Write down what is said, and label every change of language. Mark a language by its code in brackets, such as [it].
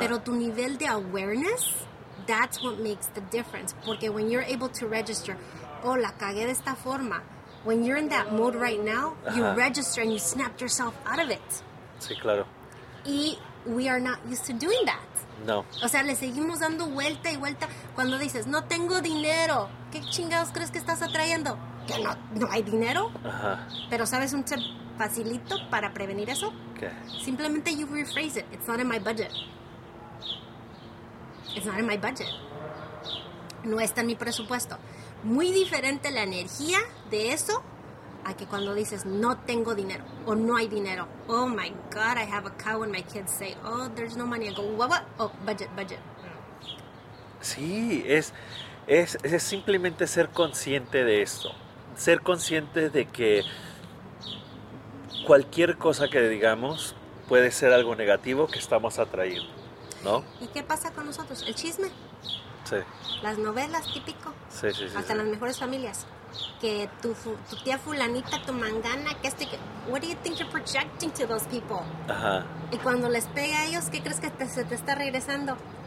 [es] Pero tu nivel de [en] awareness, that's what makes the difference. [es] Porque [en] when you're able to register, [es] oh, la cagué de esta forma. [en] When you're in that mode right now, uh-huh. You register and you snap yourself out of it. [es] Sí, claro. [en] Y we are not used to doing that. [es] No. O sea, le seguimos dando vuelta y vuelta. Cuando dices, no tengo dinero, ¿qué chingados crees que estás atrayendo? Que no hay dinero. Uh-huh. Pero sabes un tip facilito para prevenir eso. [en] Okay. Simplemente you rephrase it. It's not in my budget. It's not in my budget. [es] No está en mi presupuesto. Muy diferente la energía de eso a que cuando dices no tengo dinero o no hay dinero. [en] Oh my God, I have a cow when my kids say, oh, there's no money. I go, what? Oh, budget. [es] Sí, es simplemente ser consciente de esto. Ser consciente de que cualquier cosa que digamos puede ser algo negativo que estamos atrayendo, ¿no? ¿Y qué pasa con nosotros? ¿El chisme? Sí. ¿Las novelas, típico? Sí, sí, sí. Hasta sí. Las mejores familias. Que tu tía fulanita, tu mangana, que este... [en] What do you think you're projecting to those people? Ajá. [es] Y cuando les pega a ellos, ¿qué crees que se te está regresando?